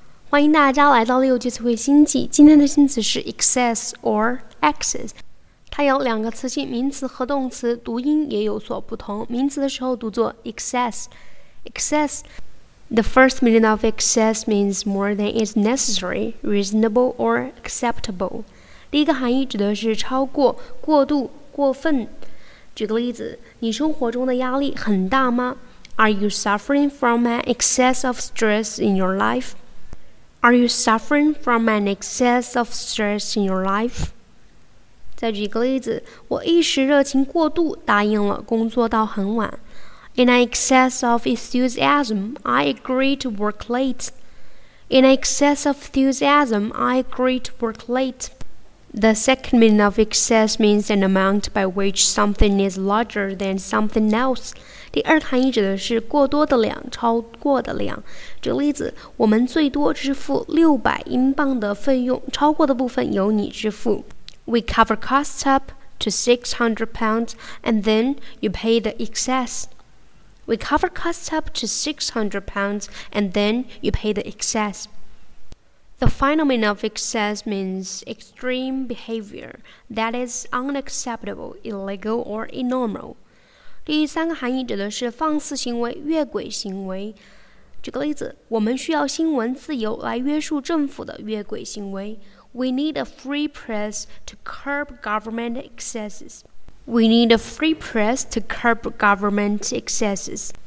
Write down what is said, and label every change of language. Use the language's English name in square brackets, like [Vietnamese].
[Chinese] 欢迎大家来到六级词汇星际。今天的新词是 excess or excess。它有两个词性，名词和动词，读音也有所不同。名词的时候读作 excess。Excess. [English] The first meaning of excess means more than is necessary, reasonable, or acceptable. [Chinese] 第一个含义指的是超过、过度、过分。举个例子，你生活中的压力很大吗？ [English] Are you suffering from an excess of stress in your life? Are you suffering from an excess of stress in your life? [Chinese] 再举个例子，我一时热情过度答应了工作到很晚。 [English] In an excess of enthusiasm, I agreed to work late. In an excess of enthusiasm, I agreed to work late. The second meaning of excess means an amount by which something is larger than something else. [Chinese] 第二含义指的是过多的量，超过的量。举个例子，我们最多支付600英镑的费用，超过的部分由你支付。 [English] We cover costs up to £600 and then you pay the excess. We cover costs up to £600 and then you pay the excess. The final meaning of excess means extreme behavior that is unacceptable, illegal, or abnormal. [Chinese] 第三个含义指的是放肆行为、越轨行为。举个例子，我们需要新闻自由来约束政府的越轨行为。 [English] We need a free press to curb government excesses. We need a free press to curb government excesses.